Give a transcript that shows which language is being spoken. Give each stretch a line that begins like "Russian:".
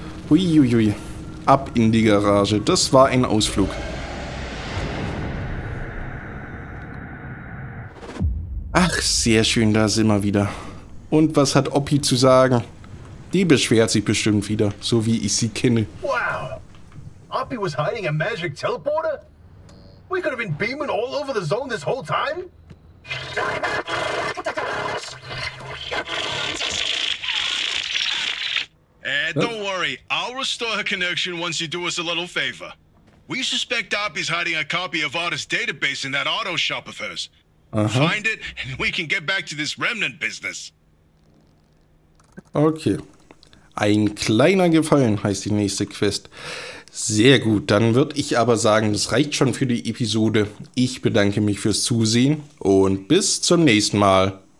German: Uiuiui. Ab in die Garage. Das war ein Ausflug. Ach, sehr schön, da sind wir wieder. Und was hat Oppi zu sagen? Die beschwert sich bestimmt wieder, so wie ich sie kenne. Wow!
English: Oppi was hiding a magic teleporter? We could have been beaming all over the zone this whole time? Don't worry, I'll restore her connection once you do us a little favor. We suspect Oppi's hiding a copy of Artis' database in that auto shop of hers. Uh-huh. Find it, and we can get back to this remnant business. Okay.
German: Ein kleiner Gefallen heißt die nächste Quest. Sehr gut, dann würde ich aber sagen, das reicht schon für die Episode. Ich bedanke mich fürs Zusehen und bis zum nächsten Mal.